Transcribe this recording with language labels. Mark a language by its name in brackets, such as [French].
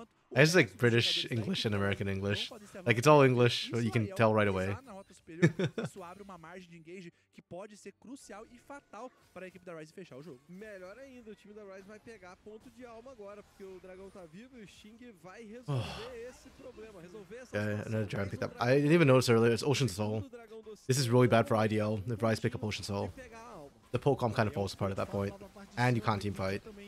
[English] It's like British English and American English. Like, it's all English, but you can tell right away. [Portuguese] Isso abre uma margem de engage que pode ser crucial e fatal para a equipe da Ryze fechar o jogo. Melhor ainda, o time da Ryze vai pegar ponto de alma agora, porque o dragão tá vivo e o Xing vai resolver esse problema, resolver essa situação. [English] Yeah, another dragon picked up. I didn't even notice earlier, it's Ocean Soul. This is really bad for IDL if Ryze pick up Ocean Soul. The Pokémon kind of falls apart at that point, and you can't teamfight.